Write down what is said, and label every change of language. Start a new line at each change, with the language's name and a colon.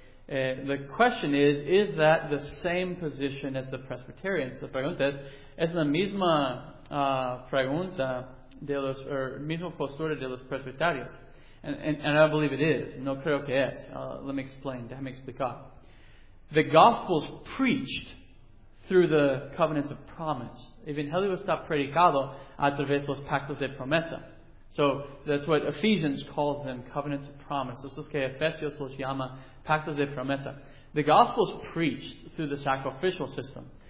English: The question is that the same position as the Presbyterians?
Spanish: La pregunta es la misma pregunta de los, or mismo postura de los presbiterianos.
English: And I believe it is.
Spanish: No creo que es.
English: Let me explain.
Spanish: Déjame explicar.
English: The gospel's preached through the covenants of promise.
Spanish: Evangelio está predicado a través de los pactos de promesa.
English: So that's what Ephesians calls them, covenants of promise.
Spanish: Eso es que Efesios los llama pactos de promesa.
English: The gospel's preached through the sacrificial system.